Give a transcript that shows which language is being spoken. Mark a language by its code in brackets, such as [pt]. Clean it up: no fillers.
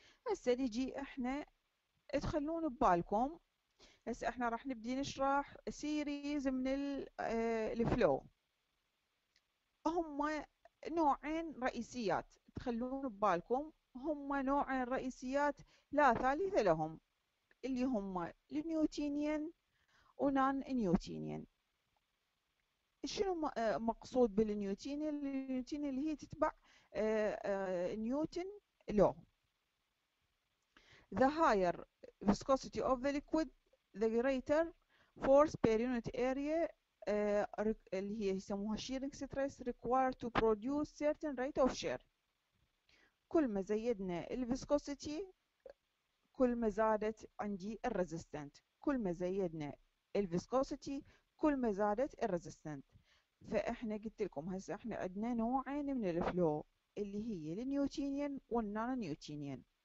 [ar] هسه نجي احنا تخلون ببالكم، هسه احنا راح نبدي نشرح سيريز من الفلو، هم نوعين رئيسيات تخلون ببالكم، هم نوعين رئيسيات لا ثالث لهم، اللي هم النيوتينيان ونان نيوتينيان. شنو مقصود بالنيوتينيان؟ النيوتينيان اللي هي تتبع نيوتن لو، [en] the higher viscosity of the liquid the greater force per unit area [ar] اللي هي يسموها [en] shearing stress required to produce certain rate of shear. [ar] كل ما زيدنا الفيسكوسيتي كل ما زادت عندي الريزيستنت، كل ما زيدنا الفيسكوسيتي كل ما زادت الريزيستنت. فاحنا قلت لكم هسه احنا عندنا نوعين من الفلو اللي هي النيوتينيان والنان نيوتينيان.